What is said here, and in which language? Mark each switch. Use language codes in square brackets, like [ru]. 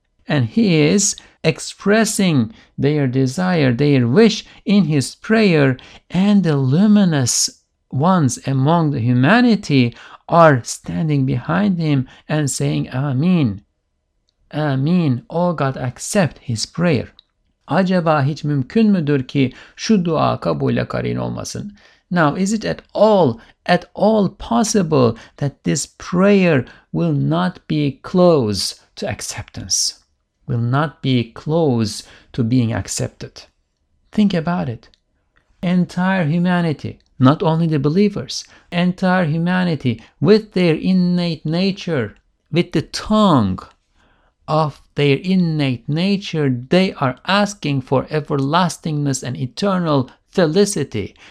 [en] And he is expressing their desire, their wish in his prayer, and the luminous ones among the humanity are standing behind him and saying, Amin. Amin. O God, accept his prayer. [tr] Acaba hiç mümkün müdür ki şu dua kabule karin olmasın? [en] Now, is it at all possible that this prayer will not be close to acceptance? Will not be close to being accepted? Think about it. Entire humanity, not only the believers, entire humanity with their innate nature, with the tongue of their innate nature, they are asking for everlastingness and eternal felicity.